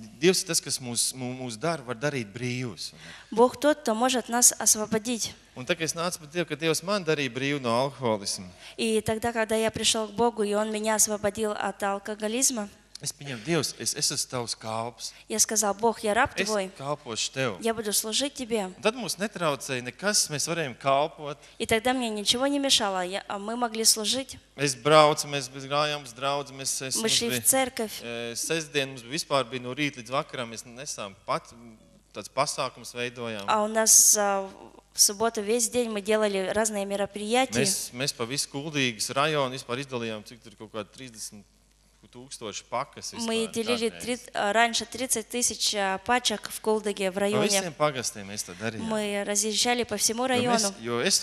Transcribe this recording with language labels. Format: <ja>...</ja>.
<lv>Dievs tas, kas mūs dar var darīt brīvus.</lv> <ru>Бог тот, кто может нас освободить.</ru> <lv>Un tā, ka es nācu par Dievu, ka Dievs man darīja brīvu no alkoholisma.</lv> <ru>И тогда, когда я пришел к Богу, и он меня освободил от алкоголизма.</ru> <lv>Es pieņemu, Dievs, es esmu tavs kalps.</lv> <ru>Я сказал, Бог, я раб твой.</ru> <lv>Es kalpošu tev.</lv> <ru>Я буду служить тебе.</ru> <lv>Tad mums netraucēja nekas, mēs varējām kalpot.</lv> <ru>И тогда мне ничего не мешало, мы могли служить.</ru> <lv>Mēs braucam, mēs gājām uz draudzi,</lv> <ru>мы шли в церковь.</ru> <lv>Sestdien mums vispār bija no rīta līdz vakaram, mēs nesām pat tāds pasākums veidojām.</lv> <ru>А у нас в субботу весь день мы делали разные мероприятия.</ru> <lv>Mēs pa visu Kuldīgas rajonu vispār izdalījām, cik tur kaut kādi 30</lv> <ru>тысячи пакас. Мы делили раньше 30 тысяч пачек в Кулдыге, в районе. По всем пакастам мы это делали. Мы разъезжали по всему району.</ru>